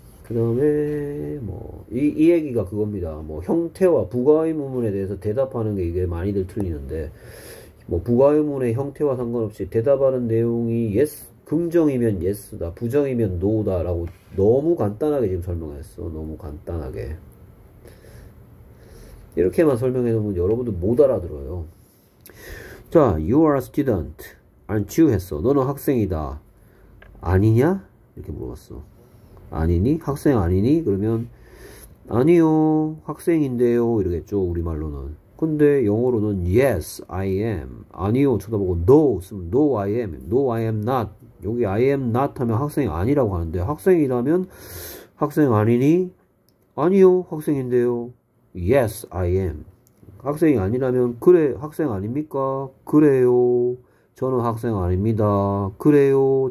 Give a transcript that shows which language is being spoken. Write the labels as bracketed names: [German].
[Korean] 그다음에 뭐이이 얘기가 그겁니다. 뭐 형태와 부가의문에 대해서 대답하는 게 이게 많이들 틀리는데, 뭐 부가의문의 형태와 상관없이 대답하는 내용이 yes, 긍정이면 yes다, 부정이면 no다라고 너무 간단하게 지금 설명했어. 너무 간단하게 이렇게만 설명해놓으면 여러분들 못 알아들어요. [English] 자, you are a student, aren't you? [Korean] 했어. 너는 학생이다, 아니냐? 이렇게 물어봤어. 아니니? 학생 아니니? 그러면 아니요, 학생인데요, 이러겠죠, 우리말로는. 근데 영어로는 [English] yes, I am. [Korean] 아니요, 쳐다보고 no, 쓰면 [English] no, I am. no, I am not. [Korean] 여기 I am not 하면 학생이 아니라고 하는데, 학생이라면 학생 아니니? 아니요, 학생인데요. [English] yes, I am. [Korean] 학생이 아니라면 그래, 학생 아닙니까? 그래요. 저는 학생 아닙니다. 그래요.